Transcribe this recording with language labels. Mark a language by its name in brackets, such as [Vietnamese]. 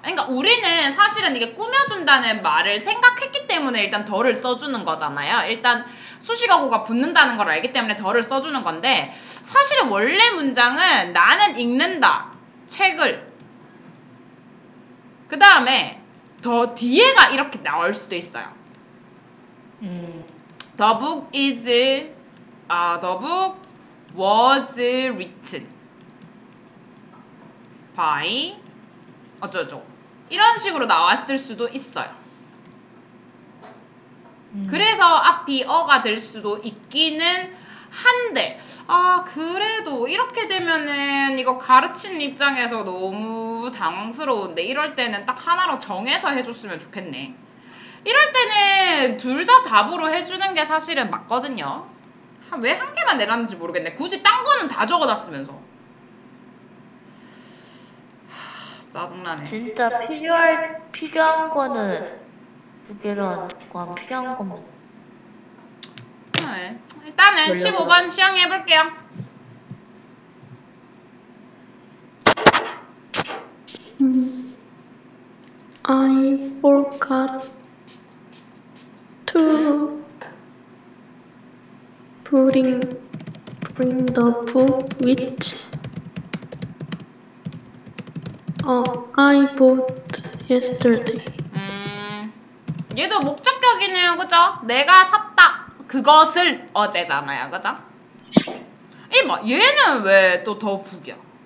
[Korean] 그러니까 우리는 사실은 이게 꾸며준다는 말을 생각했기 때문에 일단 덜을 써주는 거잖아요. 일단 수식어구가 붙는다는 걸 알기 때문에 덜을 써주는 건데 사실 원래 문장은 나는 읽는다 책을 그 다음에 더 뒤에가 이렇게 나올 수도 있어요. [English] The book is the book was written by [Korean] 어쩌죠 이런 식으로 나왔을 수도 있어요. 그래서 앞이 어가 될 수도 있기는 한데 아 그래도 이렇게 되면은 이거 가르치는 입장에서 너무 당황스러운데 이럴 때는 딱 하나로 정해서 해줬으면 좋겠네. 이럴 때는 둘 다 답으로 해주는 게 사실은 맞거든요. 왜 한 개만 내놨는지 모르겠네. 굳이 딴 거는 다 적어놨으면서. 짜증나네. 진짜 필요한 거는 두 개로 필요한 것만. 네, 일단은 15번 시험해 볼게요. [English] I forgot to bring the book which I bought yesterday. [Korean] 얘도 목적격이네요, 그죠? 내가 샀다 그것을 어제잖아요, 그죠? 이봐, 얘는 왜 또 더 북이야?